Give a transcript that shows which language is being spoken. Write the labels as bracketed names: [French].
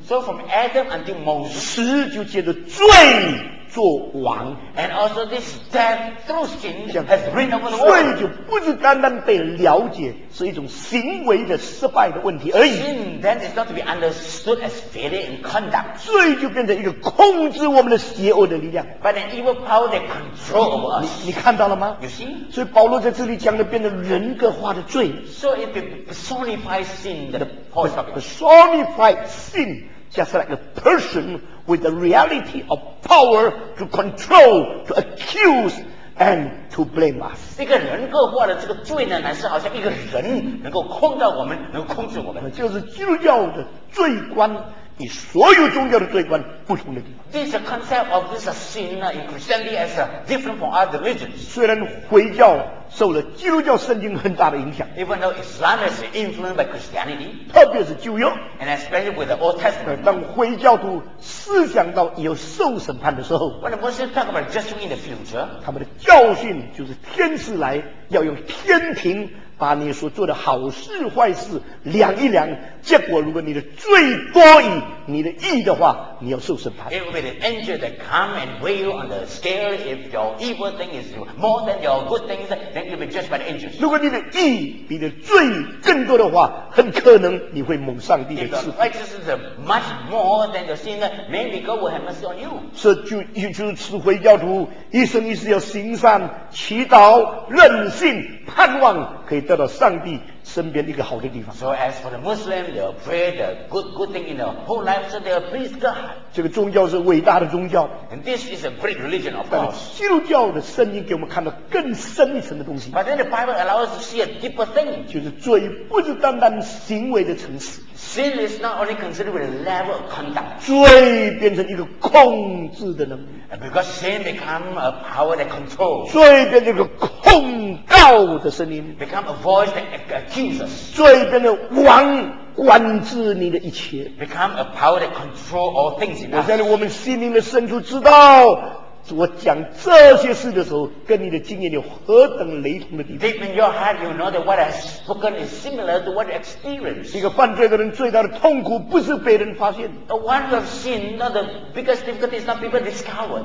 [English] So from Adam until Moses [Chinese] 死就借着罪做王 [English] And also this death through sin has reigned over the world [Chinese] 罪就不是单单被了解是一种行为的失败的问题而已 [English] Sin then is not to be understood as failure in conduct [Chinese] 罪就变成一个控制我们的邪恶的力量 [English] But an evil power that controls over us [Chinese] 你看到了吗 [English] You see [Chinese] 所以保罗在这里讲的变成人格化的罪 [English] So if you personify sin that Paul is talking Personify sin just like a person with the reality of power to control, to accuse, and to blame us. [Chinese] 一个人格化的这个罪呢，乃是好像一个人能够控制我们，能控制我们。就是基督教的罪观与所有宗教的罪观不同的地方。 [English] This concept of this sin in Christianity is different from other religions. [Chinese] 虽然回教受了基督教圣经很大的影响 [English] Even though Islam is influenced by Christianity [Chinese] 特别是旧约 [English] And especially with the Old Testament [Chinese] 当回教徒思想到有受审判的时候 [English] When the Muslims talk about judgment in the future [Chinese] 他们的教训就是天使来要用天庭把你所做的好事坏事量一量结果如果你的罪多于你的义的话你要受审判 [English] It will be the angel that come and weigh you on the scale if your evil thing is more than your good things then you'll be judged by the angels [Chinese] 如果你的义比你的罪更多的话很可能你会蒙上帝的赐福 [English] If your righteousness is much more than your sin maybe God will have mercy on you [Chinese] 是就是回教徒一生一世要行善祈祷任性盼望可以得到上帝身边一个好的地方。 [English] So as for the Muslim, they pray the good thing in their whole life, so they please God. [Chinese] 这个宗教是伟大的宗教。 [English] And this is a great religion, of course. [Chinese] 基督教的圣经给我们看到更深一层的东西。 [English] But then the Bible allows us to see a deeper thing. [Chinese] 就是罪不是单单行为的层次。 [English] Sin is not only considered with a level of conduct. [Chinese] 罪变成一个控制的能力。 [English] And because sin becomes a power that controls. [Chinese] 罪变成一个控告的声音。 [English] Become a voice that accuses. [Chinese] 罪变成王管制你的一切。 [English] Become a power that controls all things in us. [Chinese] 我相信我们心灵的深处知道我讲这些事的时候跟你的经验有何等雷同的地方 [English] Deep in your heart you know that what I've spoken is similar to what you experienced [Chinese] 一个犯罪的人最大的痛苦不是被人发现 [English] The one who have sinned not the biggest difficulty is not people discovered